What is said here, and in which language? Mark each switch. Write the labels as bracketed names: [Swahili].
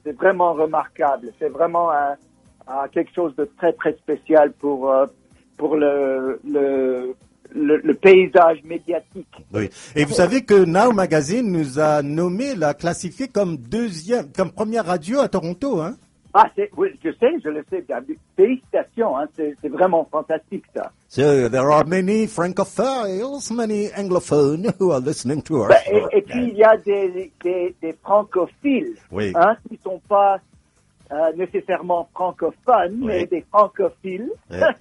[French] C'est vraiment remarquable. C'est vraiment quelque chose de très, très spécial pour le paysage médiatique. Oui. Et vous savez que Now Magazine nous a nommé, l'a classifié comme première radio à Toronto, hein? Ah, je le sais. Félicitations, hein. C'est vraiment fantastique, ça. [English] So, there are many francophiles, many anglophones who are listening to us. [French] Et puis, il y a des francophiles, oui. Hein, qui ne sont pas nécessairement francophones, oui. Mais des francophiles. Oui.